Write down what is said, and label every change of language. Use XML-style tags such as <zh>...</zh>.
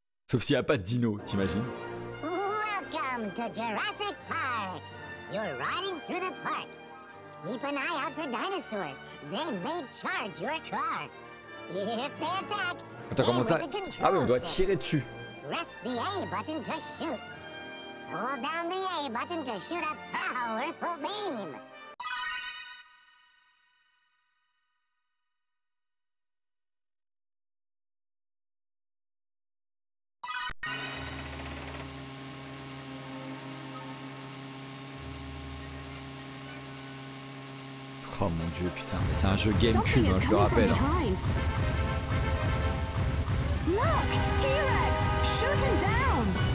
<fr>Sauf s'il n'y a pas de dino, t'imagines?</fr> <en>Welcome to Jurassic Park! You're riding through the park. Keep an eye out for dinosaurs. They may charge your car. If they attack,</en> <fr>attends, comment ça? Ah oui, on doit tirer dessus.</fr> <en>Press the A button to shoot. Hold down the A button to shoot a powerful beam.</en> <fr>Oh mon dieu, putain, mais c'est un jeu GameCube, hein, je le rappelle. Hein.</fr> <en>Look, T-Rex, shoot him down.</en>